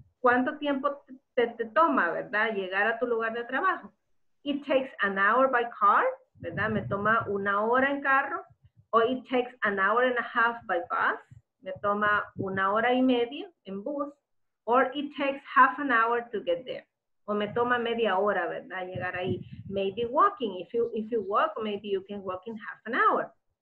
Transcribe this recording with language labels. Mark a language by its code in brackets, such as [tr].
[es] ¿Cuánto tiempo te toma, verdad, llegar a tu lugar de trabajo? [en] It takes an hour by car, [es] ¿verdad? Me toma una hora en carro. [en] Or it takes an hour and a half by bus. [es] Me toma una hora y media en bus. [en] Or it takes half an hour to get there. [es] O me toma media hora, ¿verdad? Llegar ahí. [en] Maybe walking. If you walk, maybe you can walk in half an hour.